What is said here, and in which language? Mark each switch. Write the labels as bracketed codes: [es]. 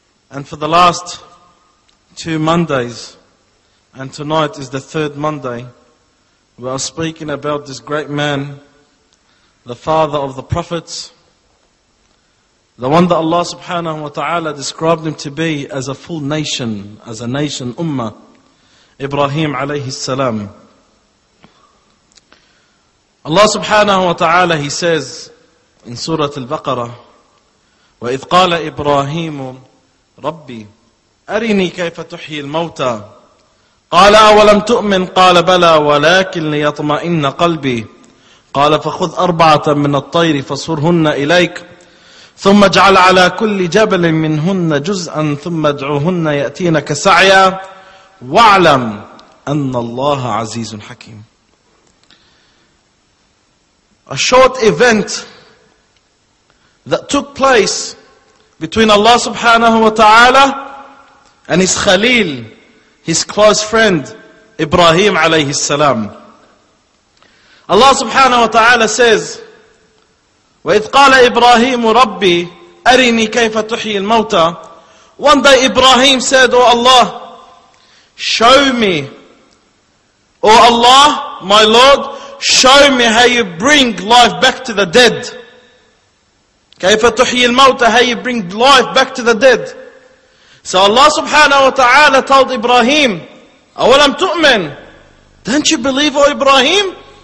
[en] and for the last two Mondays, and tonight is the third Monday, we are speaking about this great man, the father of the prophets, the one that Allah subhanahu wa ta'ala described him to be as a full nation, as a nation, ummah, Ibrahim alayhi salam. [ar] Allah subhanahu wa ta'ala, [en] he says in Surah Al-Baqarah, [ar] وَإِذْ قَالَ إِبْرَاهِيمُ ربي أرني كيف تحيي الموتى قال أولم تؤمن قال بلى ولكن ليطمئن قلبي قال فخذ أربعة من الطير فصرهن إليك ثم اجعل على كل جبل منهن جزءا ثم ادعوهن يأتينك سعيا واعلم أن الله عزيز حكيم. [en] A short event that took place between Allah subhanahu wa ta'ala and his khalil, his close friend, Ibrahim alayhi salam. [ar] Allah subhanahu wa ta'ala [en] says, [ar] وَإِذْ قَالَ إِبْرَاهِيمُ رَبِّي أَرِنِي كَيْفَ تُحْيِي الْمَوْتَى. [en] One day Ibrahim said, O Allah, show me, O Allah, my Lord, show me how you bring life back to the dead. [ar] كيف تحيي الموتى, [en] how you bring life back to the dead. So Allah subhanahu wa ta'ala told Ibrahim, [ar] أَوَلَمْ تُؤْمِن, [en] don't you believe, O Ibrahim?